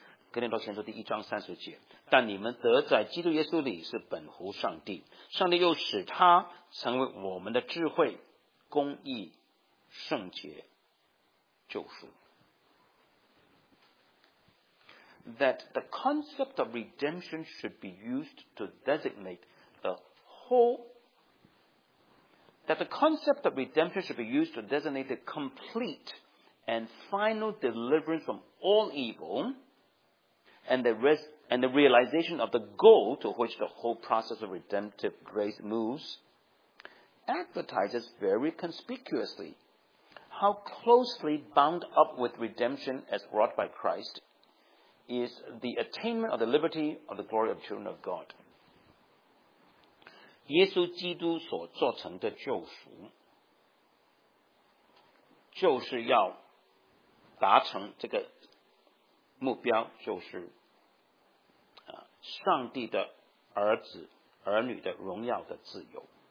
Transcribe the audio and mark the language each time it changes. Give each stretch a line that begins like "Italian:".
Chinese: 哥林多前书第一章30节，但你们得在基督耶稣里是本乎上帝，上帝又使他成为我们的智慧、公义、圣洁、救赎。
English: That the concept of redemption should be used to designate the whole That the concept of redemption should be used to designate the complete and final deliverance from all evil and the realization of the goal to which the whole process of redemptive grace moves advertises very conspicuously how closely bound up with redemption as wrought by Christ is the attainment of the liberty of the glory of children of God.
Chinese: 耶稣基督所做成的救赎，就是要达成这个目标，就是上帝的儿子儿女的荣耀的自由。